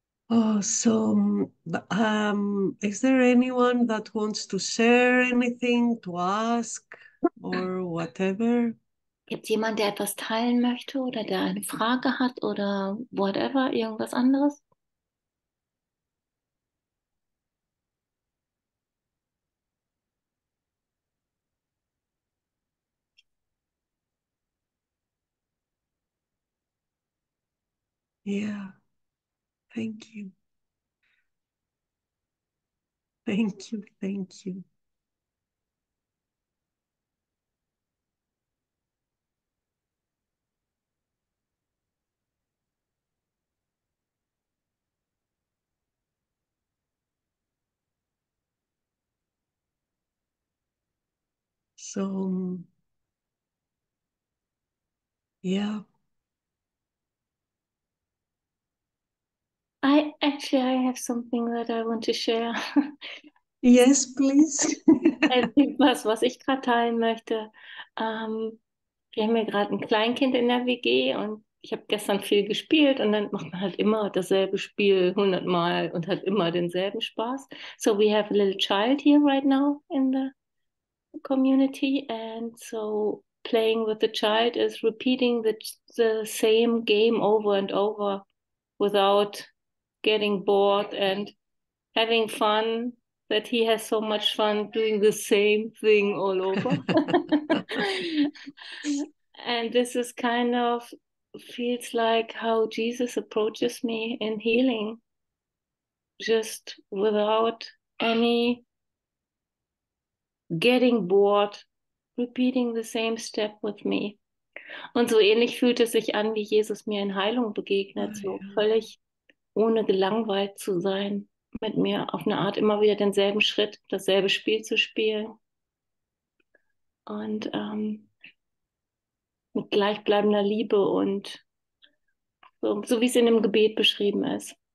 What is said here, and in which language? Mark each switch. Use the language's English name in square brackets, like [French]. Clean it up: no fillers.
[English] Oh, so is there anyone that wants to share anything, to ask, or whatever? [German] Gibt es jemanden, der etwas teilen möchte oder der eine Frage hat oder whatever, irgendwas anderes? [English] Yeah. Thank you. Thank you. Thank you. So, yeah. I actually I have something that I want to share. Yes, please. [German] Was ich gerade teilen möchte. Wir haben ja gerade ein Kleinkind in der WG und ich habe gestern viel gespielt und dann macht man halt immer dasselbe Spiel 100 Mal und hat immer denselben Spaß. [English] So we have a little child here right now in the community and so playing with the child is repeating the same game over and over without getting bored and having fun, that he has so much fun doing the same thing all over. And this is kind of feels like how Jesus approaches me in healing, just without any getting bored, repeating the same step with me. [German] Und so ähnlich fühlt es sich an, wie Jesus mir in Heilung begegnet, so völlig ohne gelangweilt zu sein, mit mir auf eine Art immer wieder denselben Schritt, dasselbe Spiel zu spielen. Und mit gleichbleibender Liebe und so wie es in dem Gebet beschrieben ist.